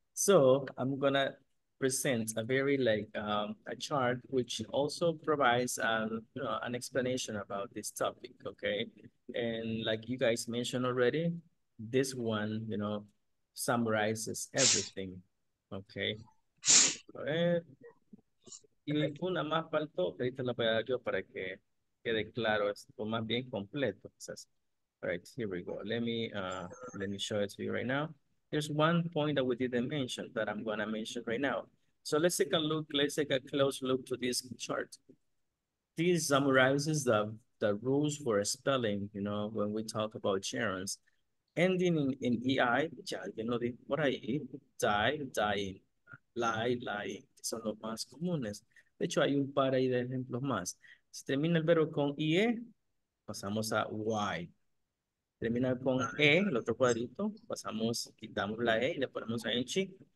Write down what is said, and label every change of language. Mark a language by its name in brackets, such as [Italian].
[English] So, I'm gonna presents a very a chart which also provides an explanation about this topic, okay? And like you guys mentioned already, this one summarizes everything, okay? [Spanish] A ver. Y una más faltó, ahorita la voy a dar yo para que quede claro, o más bien completo. [English] Right, here we go. Let me show it to you right now. There's one point that we didn't mention that I'm going to mention right now. So let's take a look, let's take a close look to this chart. This summarizes the rules for spelling, you know, when we talk about gerunds. Ending in EI, [Spanish] ya alguien lo dijo por ahí, die, dying, lie, lying, que son los más comunes. De hecho, hay un par ahí de ejemplos más. Si termina el verbo con IE, pasamos a Y. Termina con E, el otro cuadrito, pasamos, quitamos la E y le ponemos a ING.